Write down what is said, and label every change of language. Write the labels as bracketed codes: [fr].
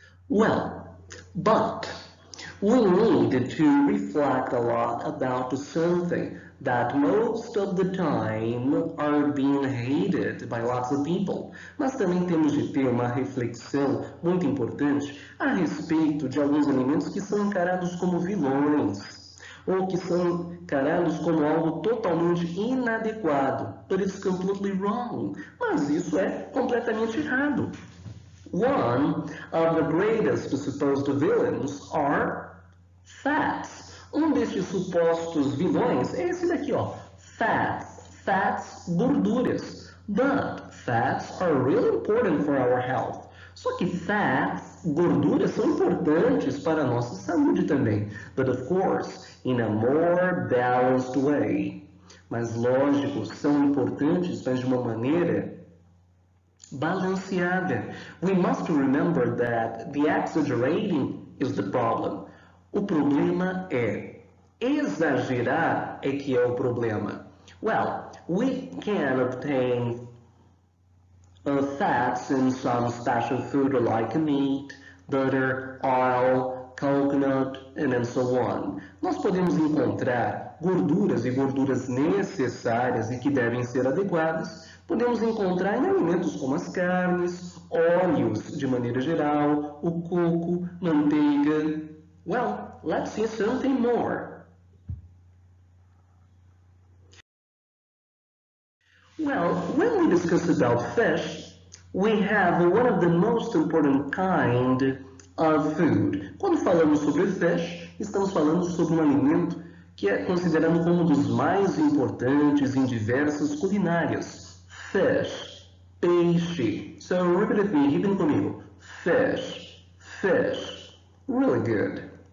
[en] Well, but we need to reflect a lot about something that most of the time are being hated by lots of people. [pt] Mas também temos de ter uma reflexão muito importante a respeito de alguns alimentos que são encarados como vilões ou que são encarados como algo totalmente inadequado. [en] But it's completely wrong. [pt] Mas isso é completamente errado. [en] One of the greatest supposed villains are fats. [pt] Um desses supostos vilões é esse daqui, ó. [en] Fats, gorduras. But fats are really important for our health. [pt] Só que fats, gorduras, são importantes para a nossa saúde também. [en] But of course, in a more balanced way. [pt] Mas lógico, são importantes, mas de uma maneira balanceada. [en] We must remember that the exaggerating is the problem. [pt] O problema é exagerar é que é o problema. [en] Well, we can obtain fats in some special food like meat, butter, oil, coconut, and so on. [pt] Nós podemos encontrar gorduras e gorduras necessárias e que devem ser adequadas. Podemos encontrar em alimentos como as carnes, óleos de maneira geral, o coco, manteiga. [en] Well, let's see something more. Well, when we discuss about fish, we have one of the most important kind of food. [pt] Quando falamos sobre fish, estamos falando sobre um alimento que é considerado como um dos mais importantes em diversas culinárias. [en] Fish, peixe. So repeat with me, repeat comigo. Fish, really good.